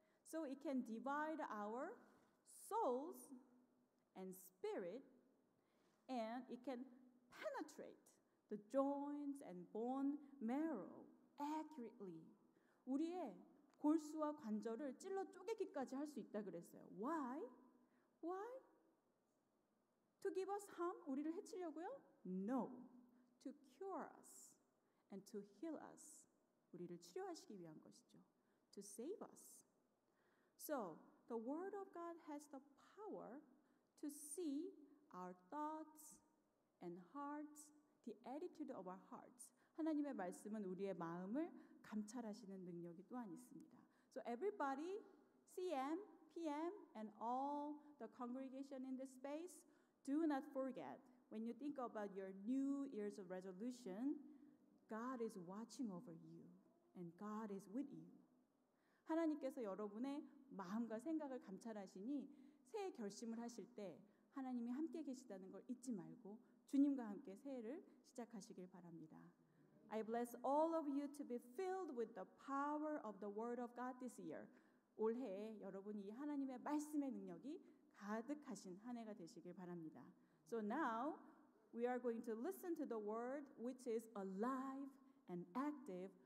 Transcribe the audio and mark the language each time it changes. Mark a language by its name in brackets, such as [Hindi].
[English] So it can divide our souls and spirit, and it can penetrate the joints and bone marrow accurately. [Korean] 우리의 골수와 관절을 찔러 쪼개기까지 할 수 있다 그랬어요. [English] Why? Why? To give us harm? [Korean] 우리를 해치려고요? [English] No. To cure us and to heal us. [Korean] 우리를 치료하시기 위한 것이죠. [English] To save us. So, the word of God has the power to see our thoughts and hearts, the attitude of our hearts. [Korean] 하나님의 말씀은 우리의 마음을 감찰하시는 능력이 또한 있습니다. [English] So everybody, CM, PM, and all the congregation in this space, do not forget, when you think about your New Year's resolution, God is watching over you. And God is with you. [Korean] 하나님께서 여러분의 마음과 생각을 감찰하시니 새해 결심을 하실 때 하나님이 함께 계시다는 걸 잊지 말고 주님과 함께 새해를 시작하시길 바랍니다. [English] I bless all of you to be filled with the power of the word of God this year. [Korean] 올해에 여러분이 하나님의 말씀의 능력이 가득하신 한 해가 되시길 바랍니다. [English] So now we are going to listen to the word which is alive and active.